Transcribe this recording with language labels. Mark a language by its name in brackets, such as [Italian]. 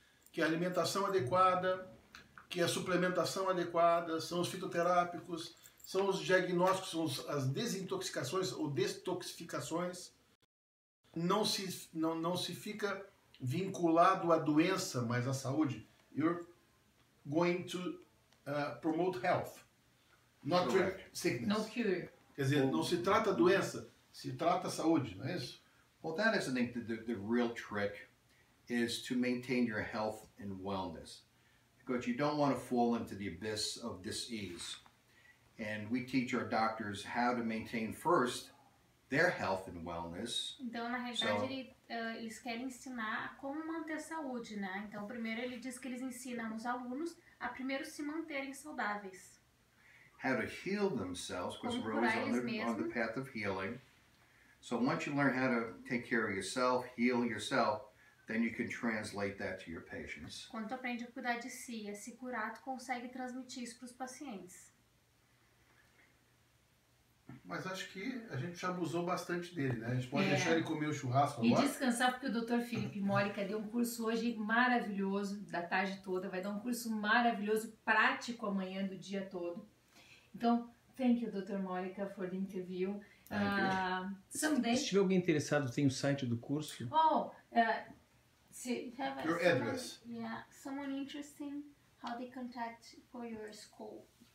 [Portuguese] Que é a alimentação adequada, que é a suplementação adequada, são os fitoterápicos, são os diagnósticos, são as desintoxicações ou destoxificações. Não se fica vinculado à doença, mas à saúde. [English] You're going to promote health, not cure sickness. No cure. [Portuguese] Quer dizer, não se trata a doença. Se trata a saúde, não é isso? [English] Well, that is, I think, the real trick is to maintain your health and wellness. Because you don't want to fall into the abyss of disease. And we teach our doctors how to maintain first their health and wellness. [Portuguese] Então, na realidade, eles querem ensinar como manter a saúde, né? Então, primeiro ele diz que eles ensinam os alunos a primeiro se manterem saudáveis. [English] How to heal themselves, because we're always on the path of healing. So once you learn how to take care of yourself, heal yourself, then you can translate that to your patients. [Portuguese] Quando tu aprende a cuidar de si, a se curar, tu consegue transmitir isso para os pacientes. Mas acho que a gente já abusou bastante dele, né? A gente pode deixar ele comer o churrasco agora. E descansar, porque o Dr. Philiph Molica deu um curso hoje maravilhoso, da tarde toda. Vai dar um curso maravilhoso, prático amanhã do dia todo. Então, [English] thank you, Dr. Molica, for the interview. [Portuguese] Se tiver alguém interessado, tem o site do curso. [English] Oh, see, your address. Yeah, someone interesting, how they contact for your school.